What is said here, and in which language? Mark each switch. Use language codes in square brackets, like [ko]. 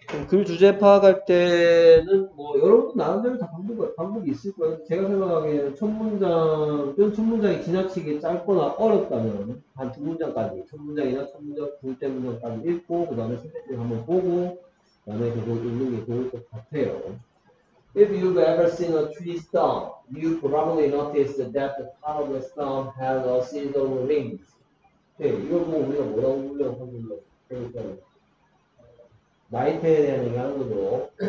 [ko] 글 주제 파악할 때는 뭐 여러분 나름대로 다 방법이 있을 거예요. 제가 생각하기에는 첫 문장 좀 첫 문장이 지나치게 짧거나 어렵다면 한 두 문장까지 첫 문장이나 첫 문장 둘째 문장까지 읽고 그 다음에 선생님 한번 보고 그 다음에 그거 읽는 게 좋을 것 같아요. [en] If you've ever seen a tree stump, you probably noticed that the part of the stump has a silver ring. [ko] 네, 이걸 뭐 우리가 뭐라고 불려고 하는지 그러니까 나이테에 대한 얘기 하는 거죠.